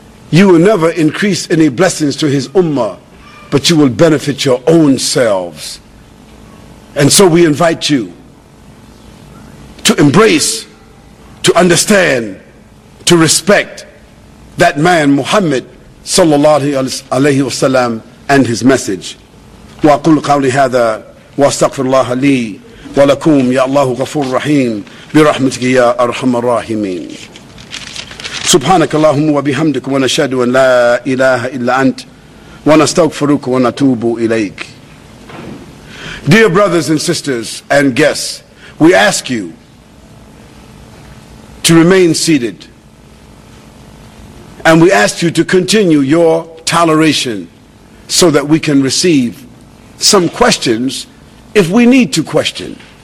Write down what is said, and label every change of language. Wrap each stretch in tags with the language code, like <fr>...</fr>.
<en>You will never increase any blessings to his ummah, but you will benefit your own selves. And so we invite you to embrace, to understand, to respect that man Muhammad sallallahu alaihi wasallam and his message.</en> <ar>وَأَقُولُ قَوْلِ هَذَا وَأَسْتَغْفِرُ اللَّهَ لِي وَلَكُمْ يَا اللَّهُ غَفُورُ رَحِيمٌ بِرَحْمَتِكَ يَا أَرْحَمَ الرَّاحِمِينَ سبحانك اللهم وبحمدك ونشهد أن لا إله إلا أنت ونستغفرك ونتوب إليك.</ar> <en>Dear brothers and sisters and guests, we ask you to remain seated, and we ask you to continue your toleration so that we can receive some questions if we need to question.</en>